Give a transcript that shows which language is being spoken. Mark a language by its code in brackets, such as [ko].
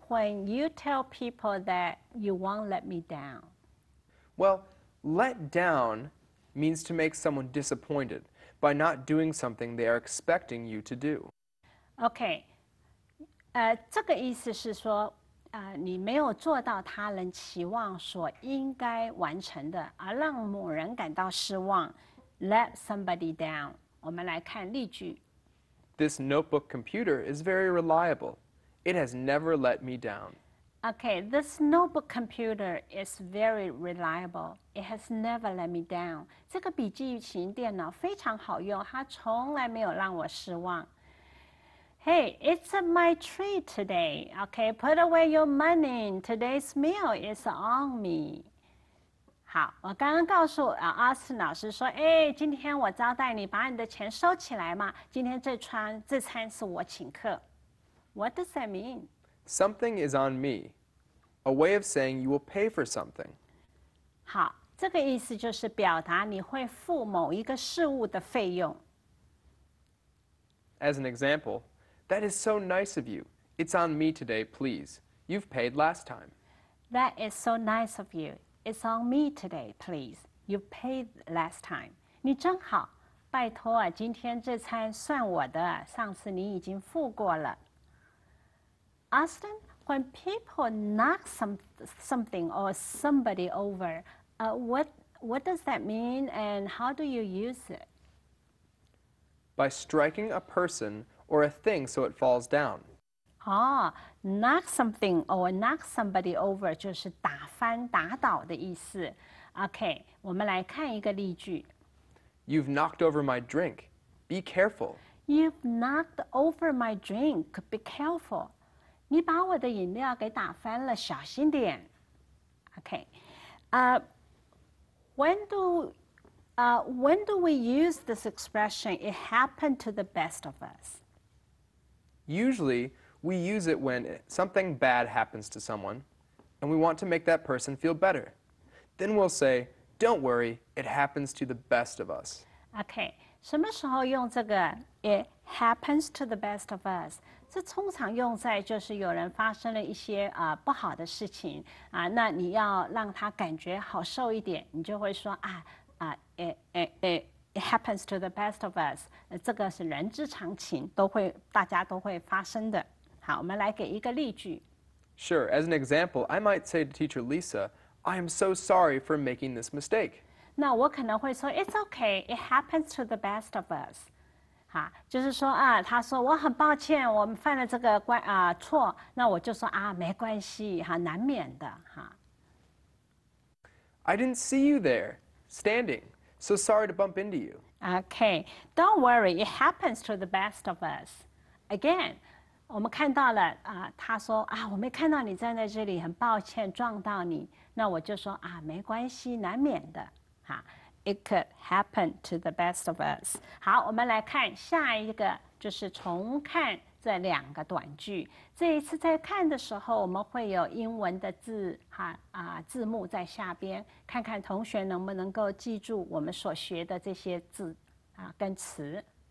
[en] When you tell people that you won't let me down? Well, let down means to make someone disappointed by not doing something they are expecting you to do. [zh] Okay, 这个意思是说，你没有做到他人期望所应该完成的，而让某人感到失望。 [en] Let somebody down. [zh] 我们来看例句。 [en] This notebook computer is very reliable. It has never let me down. Okay, this notebook computer is very reliable. It has never let me down. [zh] 这个笔记型电脑非常好用，它从来没有让我失望。 [en] Hey, it's my treat today. Okay, put away your money. Today's meal is on me. [zh] 好，我刚刚告诉Austin老师说，哎，今天我招待你，把你的钱收起来嘛。今天这餐是我请客。 [en] What does that mean? Something is on me. A way of saying you will pay for something. [zh] 好，这个意思就是表达你会付某一个事物的费用。 [en] As an example, that is so nice of you. It's on me today, please. You've paid last time. That is so nice of you. It's on me today, please. You've paid last time. [zh] 你真好，拜托啊，今天这餐算我的，上次你已经付过了。 [en] Austin, when people knock something or somebody over, what does that mean and how do you use it? By striking a person or a thing so it falls down. [zh] Oh, [en] knock something or knock somebody over [zh] 就是打翻打倒的意思。 Okay, 我们来看一个例句。 [en] You've knocked over my drink. Be careful. You've knocked over my drink. Be careful. [zh] 你把我的饮料给打翻了，小心点。 [en] Okay. When do we use this expression, it happened to the best of us? Usually, we use it when something bad happens to someone, and we want to make that person feel better. Then we'll say, don't worry, it happens to the best of us. [zh] Okay, 什么时候用这个 [en] it happens to the best of us? [zh] 这通常用在就是有人发生了一些不好的事情啊，那你要让他感觉好受一点，你就会说啊。 [en] It happens to the best of us. [zh] 这个是人之常情，都会大家都会发生的。好，我们来给一个例句。 [en] Sure. As an example, I might say to teacher Lisa, "I am so sorry for making this mistake." [zh] 那我可能会说 [en] "It's okay. It happens to the best of us." [zh] 哈，就是说啊，他说我很抱歉，我们犯了这个错。那我就说啊，没关系哈，难免的哈。 [en] I didn't see you there. Standing. So sorry to bump into you. Okay. Don't worry. It happens to the best of us. [zh] Again, 我们看到了他说啊，我没看到你站在这里，很抱歉撞到你。那我就说啊，没关系，难免的。 [en] 哈 ，It could happen to the best of us. [zh] 好，我们来看下一个，就是重看这两个短句。这一次在看的时候，我们会有英文的字哈啊字幕在下边，看看同学能不能够记住我们所学的这些字啊跟词。